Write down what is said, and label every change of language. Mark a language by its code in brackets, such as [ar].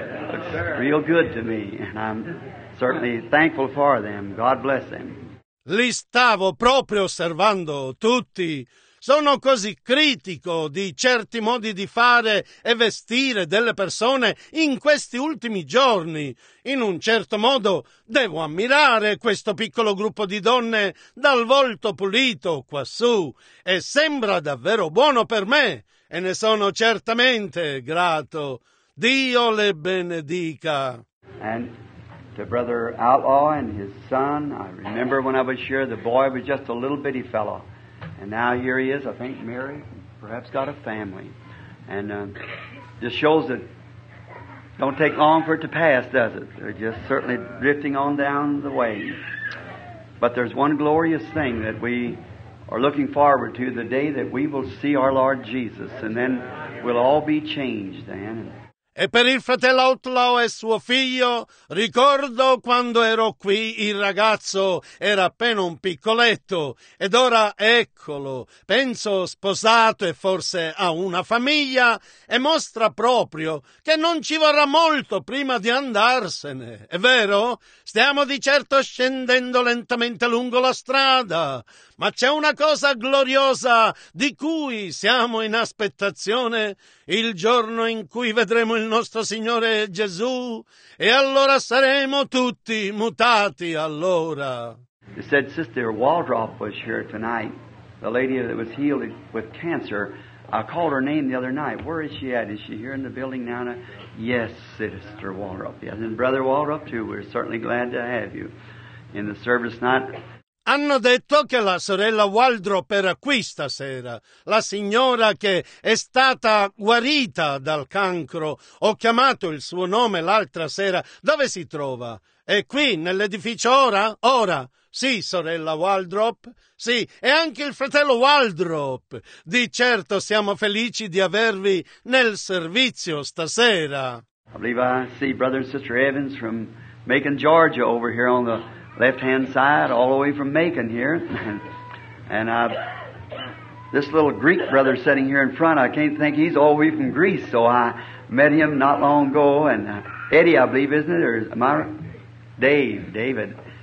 [en] Looks real good to me, and I'm certainly thankful for them. God bless them. [it] Li stavo proprio osservando tutti. Sono così critico di certi modi di fare e vestire delle persone in questi ultimi giorni. In un certo modo devo ammirare questo piccolo gruppo di donne dal volto pulito quassù. E sembra davvero buono per me, e ne sono certamente grato. Dio le benedica. [en] And to Brother Outlaw and his son, I remember when I was here, the boy was just a little bitty fellow. And now here he is, I think, married, perhaps got a family. And this shows that don't take long for it to pass, does it? They're just certainly drifting on down the way. But there's one glorious thing that we are looking forward to, the day that we will see our Lord Jesus, and then we'll all be changed, then. [it] E per il fratello Outlaw e suo figlio, ricordo quando ero qui, il ragazzo era appena un piccoletto, ed ora eccolo, penso sposato e forse ha una famiglia, e mostra proprio che non ci vorrà molto prima di andarsene, è vero? Stiamo di certo scendendo lentamente lungo la strada, ma c'è una cosa gloriosa di cui siamo in aspettazione, il giorno in cui vedremo il nostro Signore Gesù, e allora saremo tutti mutati allora. [en] They said Sister Waldrop was here tonight, the lady that was healed with cancer. I called her name the other night. Where is she at? Is she here in the building now? Yes, Sister Waldrop. Yes, and Brother Waldrop too. We're certainly glad to have you in the service tonight. [it] Hanno detto che la sorella Waldrop era qui stasera, la signora che è stata guarita dal cancro. Ho chiamato il suo nome l'altra sera. Dove si trova? È qui, nell'edificio ora? Ora? Sì, sorella Waldrop. Sì, e anche il fratello Waldrop. Di certo siamo felici di avervi nel servizio stasera. [en] I believe I see Brother and Sister Evans from Macon, Georgia, over here on the left-hand side, all the way from Macon here. And this little Greek brother sitting here in front, I can't think, he's all the way from Greece. So I met him not long ago. And Eddie, I believe, isn't it? Or am I? David.